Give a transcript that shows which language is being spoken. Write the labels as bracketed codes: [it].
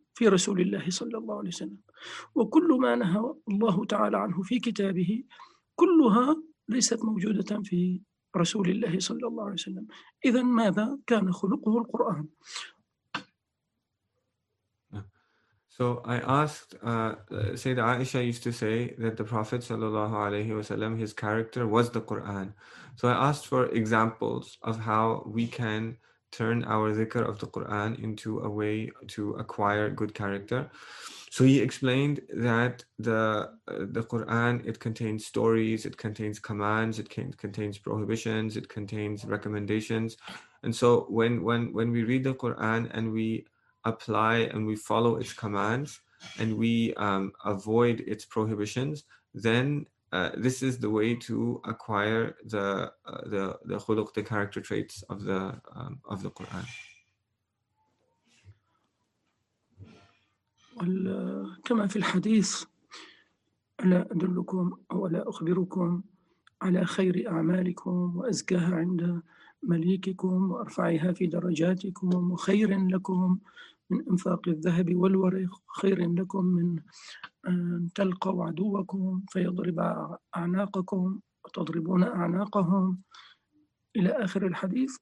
[ar] في رسول الله صلى الله عليه وسلم، وكل ما نهى الله تعالى عنه في كتابه كلها ليست موجودة في رسول الله صلى الله عليه وسلم. إذن ماذا كان خلقه القرآن؟ [en] So I asked, Sayyida Aisha used to say that the Prophet sallallahu alayhi wa sallam, his character was the Qur'an. So I asked for examples of how we can turn our dhikr of the Qur'an into a way to acquire good character. So he explained that the Qur'an, it contains stories, it contains commands, it contains prohibitions, it contains recommendations. And so when we read the Qur'an and we apply and we follow its commands and we avoid its prohibitions, then this is the way to acquire the khuluq, the character traits of the Quran. [ar] Well, كما في الحديث ألا أدلكم أو ألا أخبركم على خير أعمالكم وأزكاها عند مليككم وأرفعها في درجاتكم وخير لكم من إنفاق الذهب والورق، خير لكم من أن تلقوا عدوكم فيضرب أعناقكم وتضربون أعناقهم، إلى آخر الحديث.